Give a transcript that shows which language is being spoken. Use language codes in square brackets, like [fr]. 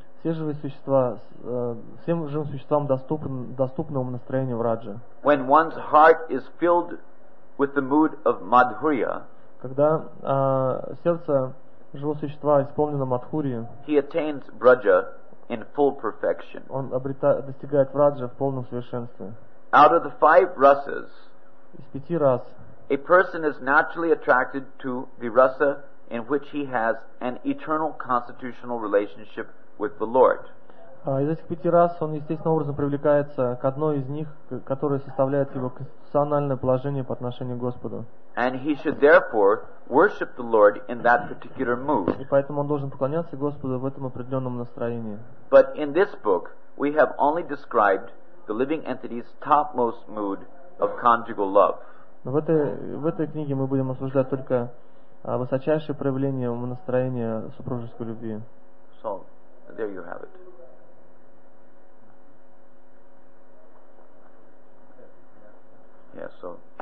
[ru] Все живые существа, всем живым существам доступно настроение в раджа. [en] When one's heart is filled with the mood of madhurya, [ru] когда сердце живого существа исполнено мадхурьи, [en] he attains braja in full perfection. [ru] Он достигает раджа в полном совершенстве. [en] Out of the five rasas, [ru] из пяти рас, [en] a person is naturally attracted to the rasa in which he has an eternal constitutional relationship with the Lord. [ru] Из этих пяти рас он естественным образом привлекается к одной из них, которая составляет его конституциональное положение по отношению к Господу. [en] And he should therefore worship the Lord in that particular mood. [ru] И поэтому он должен поклоняться Господу в этом определенном настроении. [en] But in this book we have only described the living entity's topmost mood of conjugal love. [ru] Но в этой книге мы будем обсуждать только высочайшее проявление настроения супружеской любви. [en] So, there you have it. Yeah, so